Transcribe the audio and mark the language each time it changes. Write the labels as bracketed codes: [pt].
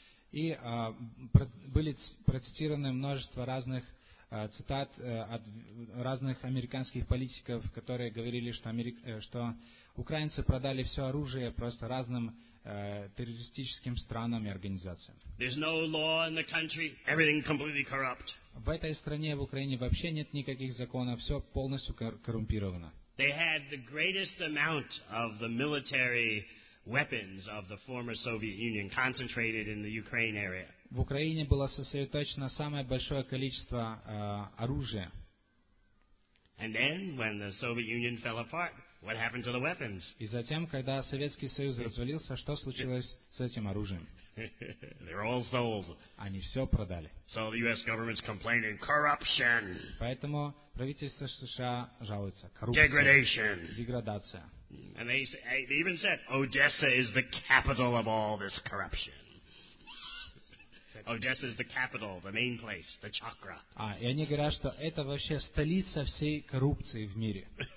[ru] И были процитированы множество разных цитат от разных американских политиков, которые говорили, что, что украинцы продали все оружие просто разным террористическим странам и организациям. [en] There's no law in the country. Everything completely corrupt. [ru] В этой стране, в Украине, вообще нет никаких законов. Все полностью коррумпировано. [en] They had the greatest amount of the military weapons of the former Soviet Union concentrated in the Ukraine area. [ru] В Украине было сосредоточено самое большое количество оружия. [en] And then, when the Soviet Union fell apart, what happened to the weapons? [ru] И затем, когда Советский Союз развалился, что случилось с этим оружием? [en] They're all sold. [ru] Они все продали. [en] So the U.S. government's complaining corruption. [ru] Поэтому правительство США жалуется коррупция. [en] Degradation. [ru] Деградация. [en] And they even said Odessa is the capital of all this corruption. Odessa is the capital, the main place, the chakra. [ru] А, и они говорят, что это вообще столица всей коррупции в мире.